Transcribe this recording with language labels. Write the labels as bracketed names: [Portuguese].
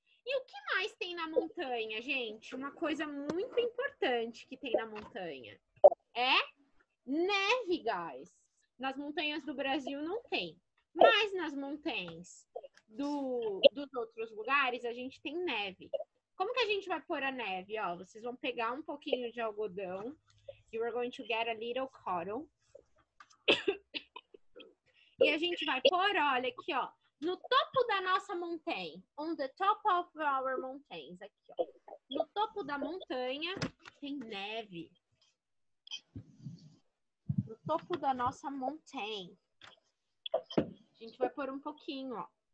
[Portuguese] E o que mais tem na montanha, gente? Uma coisa muito importante que tem na montanha é neve, guys. Nas montanhas do Brasil não tem. Mas nas montanhas dos outros lugares a gente tem neve. Como que a gente vai pôr a neve? Ó, vocês vão pegar um pouquinho de algodão. [English] You are going to get a little cotton. [Portuguese] E a gente vai pôr, olha aqui, ó. No topo da nossa montanha. [English] On the top of our mountains. [Portuguese] Aqui, ó. No topo da montanha tem neve. No topo da nossa montanha. A gente vai pôr um pouquinho, ó.